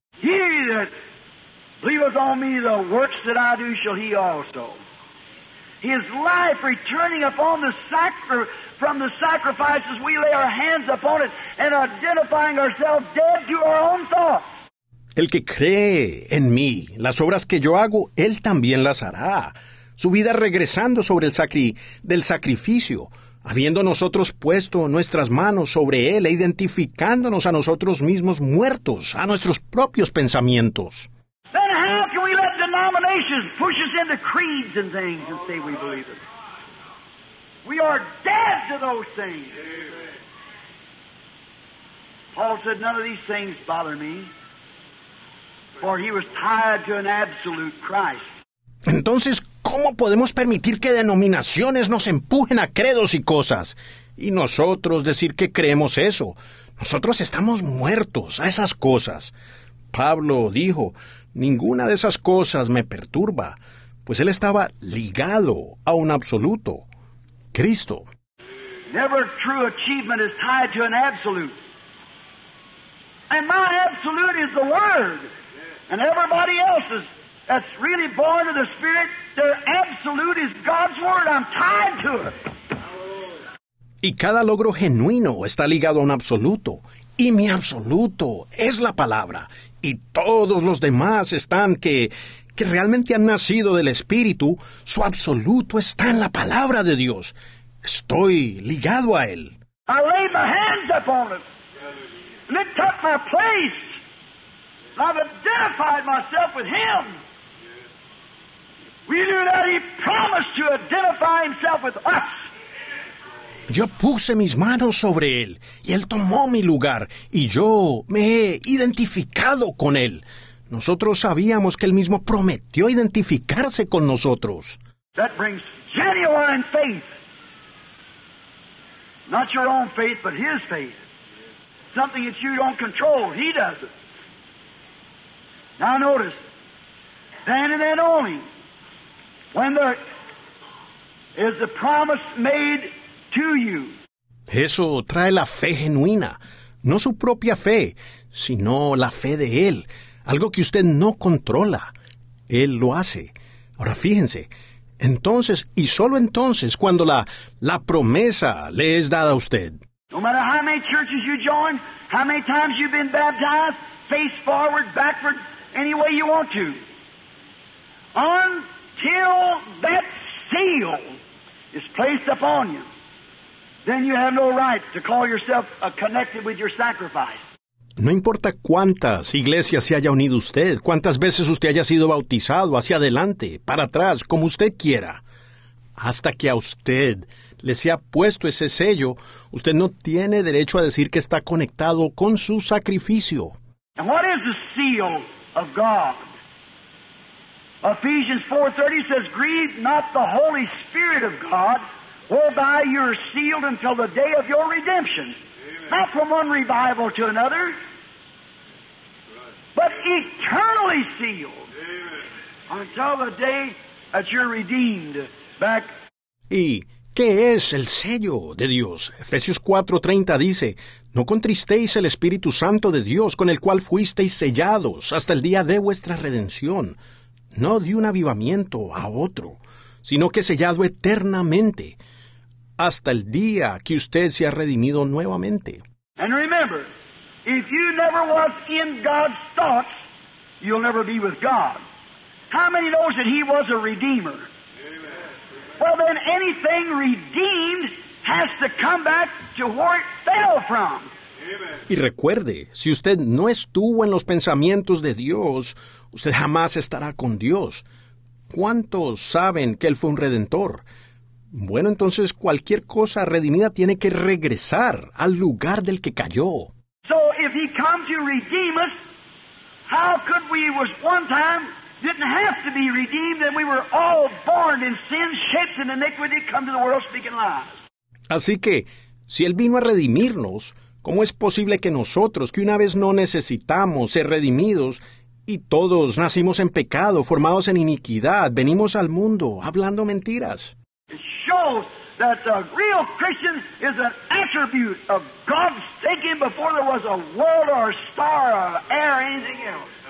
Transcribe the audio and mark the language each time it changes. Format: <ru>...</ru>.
<en>He that believeth on me, the works that I do shall he also. His life returning upon the from the sacrifices, we lay our hands upon it and identifying ourselves dead to our own thoughts.</en> <es>El que cree en mí, las obras que yo hago, él también las hará. Su vida regresando sobre el del sacrificio, habiendo nosotros puesto nuestras manos sobre Él e identificándonos a nosotros mismos muertos, a nuestros propios pensamientos.</es> <en>Then how can we let denominations push us into creeds and things and say we believe it? We are dead to those things. Paul said, none of these things bother me, for he was tied to an absolute Christ.</en> <es>Entonces, ¿cómo podemos permitir que denominaciones nos empujen a credos y cosas? Y nosotros decir que creemos eso. Nosotros estamos muertos a esas cosas. Pablo dijo, ninguna de esas cosas me perturba, pues él estaba ligado a un absoluto, Cristo.</es> <en>Never true achievement is tied to an absolute. And my absolute is the Word. And everybody else's. That's really born of the Spirit. Their absolute is God's word. I'm tied to it.</en> <es>Y cada logro genuino está ligado a un absoluto. Y mi absoluto es la palabra. Y todos los demás están que realmente han nacido del Espíritu. Su absoluto está en la palabra de Dios. Estoy ligado a Él.</es> <en>I laid my hands upon it. And it took my place. I've identified myself with Him. We knew that he promised to identify himself with us.</en> <es>Yo puse mis manos sobre él, y él tomó mi lugar, y yo me he identificado con él. Nosotros sabíamos que él mismo prometió identificarse con nosotros.</es> <en>That brings genuine faith. Not your own faith, but his faith. Something that you don't control, he does it. Now notice, then and then only, when there is the promise made to you.</en> <es>Eso trae la fe genuina, no su propia fe, sino la fe de Él, algo que usted no controla. Él lo hace. Ahora fíjense, entonces y solo entonces cuando la promesa le es dada a usted.</es> <en>No matter how many churches you join, how many times you've been baptized, face forward, backward, any way you want to. Until that seal is placed upon you, then you have no right to call yourself connected with your sacrifice.</en> <es>No importa cuántas iglesias se haya unido usted, cuántas veces usted haya sido bautizado, hacia adelante, para atrás, como usted quiera. Hasta que a usted le sea puesto ese sello, usted no tiene derecho a decir que está conectado con su sacrificio.</es> <en>And what is the seal of God? Ephesians 4:30 says, "Grieve not the Holy Spirit of God, whereby you are sealed until the day of your redemption." Amen. Not from one revival to another, but eternally sealed. Amen. Until the day that you're redeemed back.</en> <es>¿Y qué es el sello de Dios? Efesios 4:30 dice, "No contristéis el Espíritu Santo de Dios, con el cual fuisteis sellados hasta el día de vuestra redención." No de un avivamiento a otro, sino que sellado eternamente, hasta el día que usted se ha redimido nuevamente.</es> <en>And remember, if you never was in God's thoughts, you'll never be with God. How many knows that He was a redeemer? Amen. Well, then anything redeemed has to come back to where it fell from.</en> <es>Y recuerde, si usted no estuvo en los pensamientos de Dios, usted jamás estará con Dios. ¿Cuántos saben que Él fue un redentor? Bueno, entonces cualquier cosa redimida tiene que regresar al lugar del que cayó.</es> <en>So if He comes to redeem us, how could we was one time didn't have to be redeemed and we were all born in sin, shaped in iniquity, come to the world speaking lies?</en> <es>Así que, si Él vino a redimirnos, ¿cómo es posible que nosotros, que una vez no necesitamos ser redimidos, y todos nacimos en pecado, formados en iniquidad, venimos al mundo hablando mentiras?</es> <en>It shows that a real Christian is an attribute of God's thinking before there was a world or a star or air or anything else.</en>